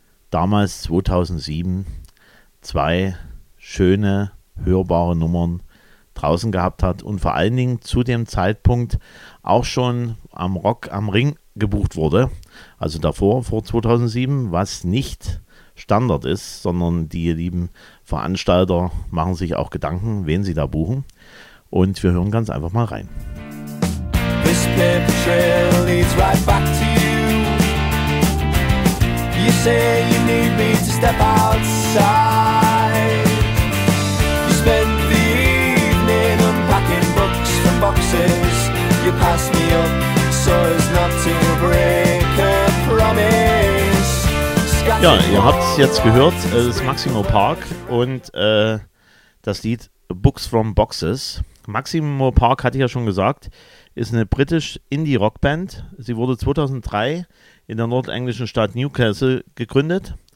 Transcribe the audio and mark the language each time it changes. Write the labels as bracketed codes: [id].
[de] damals 2007 2 schöne, hörbare Nummern draußen gehabt hat und vor allen Dingen zu dem Zeitpunkt auch schon am Rock am Ring gebucht wurde, also davor, vor 2007, was nicht Standard ist, sondern die lieben Veranstalter machen sich auch Gedanken, wen sie da buchen. Und wir hören ganz einfach mal rein. [en] This paper trail leads right back to you. You say you need me to step outside. You spend the evening unpacking books from boxes. You pass me up so as not to break a promise. [de] Ja, ihr habt es jetzt gehört, es ist Maximo Park und das Lied Books from Boxes. Maximo Park, hatte ich ja schon gesagt, ist eine British-Indie-Rockband. Sie wurde 2003 in der nordenglischen Stadt Newcastle gegründet.